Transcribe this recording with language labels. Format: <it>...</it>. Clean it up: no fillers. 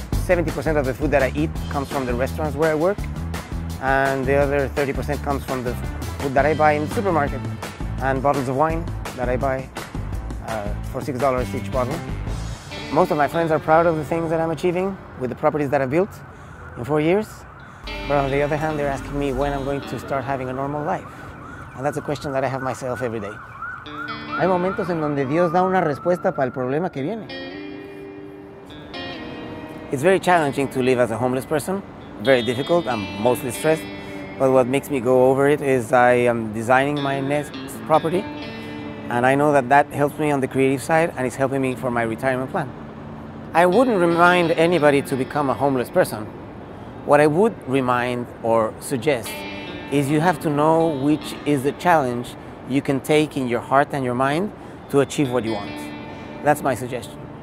<en>Of the food that I eat comes from the restaurants where I work, and the other 30% comes from the food that I buy in the supermarket, and bottles of wine that I buy for $6 each bottle. Most of my friends are proud of the things that I'm achieving with the properties that I've built in 4 years. But on the other hand, they're asking me when I'm going to start having a normal life. And that's a question that I have myself every day.</en> <es>Hay momentos en donde Dios da una respuesta para el problema que viene.</es> <en>It's very challenging to live as a homeless person. Very difficult, I'm mostly stressed. But what makes me go over it is I am designing my next property. And I know that that helps me on the creative side and it's helping me for my retirement plan. I wouldn't remind anybody to become a homeless person. What I would remind or suggest is you have to know which is the challenge you can take in your heart and your mind to achieve what you want. That's my suggestion.</en>